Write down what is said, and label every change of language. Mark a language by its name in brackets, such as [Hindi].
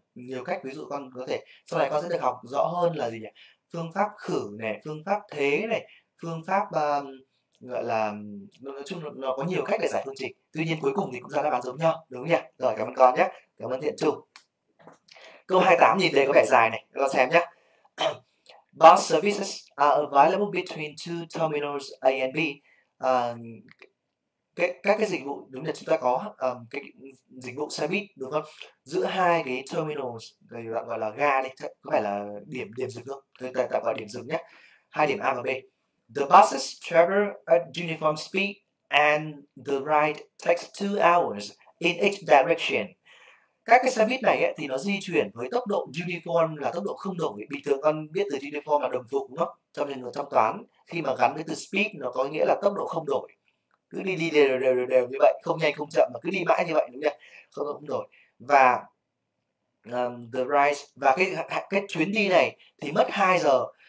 [Vietnamese] Nhiều cách, ví dụ con có thể sau này con sẽ được học rõ hơn là gì nhỉ? Phương pháp khử này, phương pháp thế này, phương pháp gọi là, nói chung là nó có nhiều cách để giải phương trình. Tuy nhiên cuối cùng thì cũng ra đáp án giống nhau, đúng không nhỉ? Rồi, cảm ơn con nhé. Cảm ơn Thiện Trung. Câu 28 nhìn đề có vẻ dài này, các con xem nhé. [English] Bus services are available between two terminals A and B. [Vietnamese] Các cái dịch vụ, đúng là chúng ta có cái dịch vụ xe buýt, đúng không? Giữa hai cái terminals, cái gọi là ga đi, có phải là điểm dừng không? Tại gọi điểm dừng nhé. Hai điểm A và B. [English] The buses travel at uniform speed and the ride takes 2 hours in each direction. [Vietnamese] Các cái xe buýt này ấy, thì nó di chuyển với tốc độ uniform, là tốc độ không đổi. Bình thường con biết từ uniform là đồng phục, đúng không? Trong toán, khi mà gắn với từ speed, nó có nghĩa là tốc độ không đổi. Cứ đi đi đều đều đều, đều như vậy, không nhanh không chậm, mà cứ đi mãi như vậy, đúng không? Không đổi, không đổi. Và [English] the ride, [Vietnamese] và cái chuyến đi này thì mất 2 giờ.